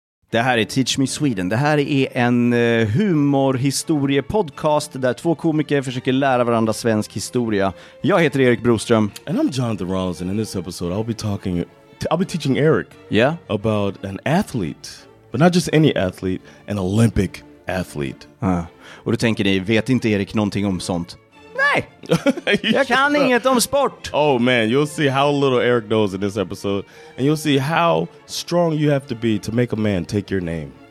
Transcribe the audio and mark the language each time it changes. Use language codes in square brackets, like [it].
[sv] Det här är Teach Me Sweden. Det här är en humorhistoriepodcast där två komiker försöker lära varandra svensk historia. Jag heter Erik Broström. [en] And I'm Jonathan Rollins, and in this episode I'll be teaching Eric, yeah, about an athlete, but not just any athlete, an Olympic athlete. [sv] Och då tänker ni, vet inte Erik någonting om sånt? Nej, jag kan inget om sport. [en] Oh man, you'll see how little Eric knows in this episode, and you'll see how strong you have to be to make a man take your name.